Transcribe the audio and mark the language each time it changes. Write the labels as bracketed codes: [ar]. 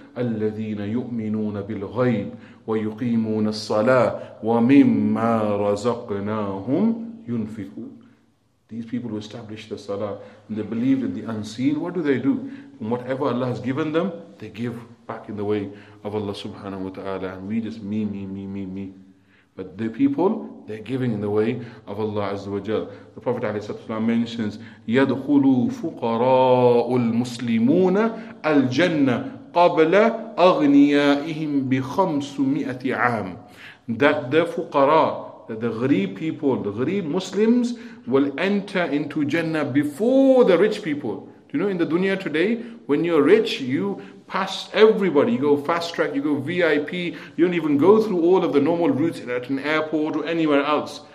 [ar] أَلَّذِينَ يُؤْمِنُونَ بِالْغَيْبِ وَيُقِيمُونَ الصَّلَاةِ وَمِمَّا رَزَقْنَاهُمْ يُنْفِقُونَ. [en] These people who establish the salah and they believe in the unseen, what do? And whatever Allah has given them, they give back in the way of Allah subhanahu wa ta'ala. And we just me. But the people, they're giving in the way of Allah Azza wa Jal. The Prophet alayhi salatu wasalam mentions, [ar] يَدْخُلُوا فُقَرَاءُ الْمُسْلِمُونَ الْجَنَّةِ قَبْلَ أَغْنِيَائِهِمْ بِخَمْسُمِئَةِ عَامٍ. [en] That the fuqara, that the ghareeb people, the ghareeb Muslims, will enter into Jannah before the rich people. Do you know in the dunya today, when you're rich, you pass everybody. You go fast track, you go VIP, you don't even go through all of the normal routes at an airport or anywhere else.